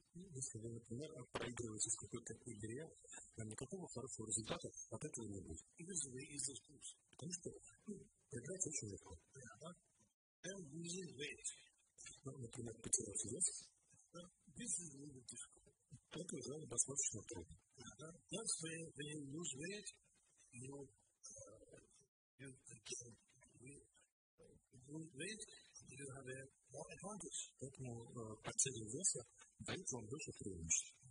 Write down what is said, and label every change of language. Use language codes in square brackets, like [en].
[ru] Если вы, например, проигрываете в какой-то игре, никакого хорошего результата от этого не будет. Потому что, ну, проиграть очень легко. Например, потерять вес. [en] This is really difficult. [ru] Это уже достаточно трудно. [en] That's where when you lose weight, you have a more advantage. [ru] Поэтому потеря веса дает вам больше преимуществ.